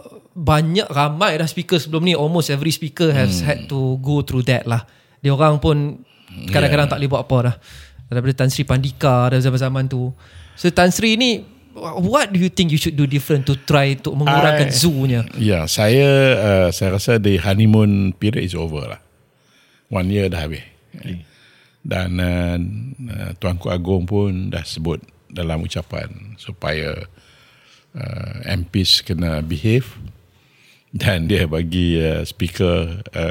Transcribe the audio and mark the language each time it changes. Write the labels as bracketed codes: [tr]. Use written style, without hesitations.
[ms] Banyak ramai dah speaker sebelum ni, [en] almost every speaker has had to go through that lah. [ms] Dia orang pun kadang-kadang tak boleh buat apa dah. Daripada Tan Sri Pandika dah zaman-zaman tu. [en] So Tan Sri ni, what do you think you should do different to try to [ms] mengurangkan zoo-nya? [en] Yeah, [ms] saya rasa [en] the honeymoon period is over lah. 1 year [ms] dah habis. [en] Okay. [ms] Dan Tuanku Agong pun dah sebut dalam ucapan supaya MPs kena behave, dan dia bagi speaker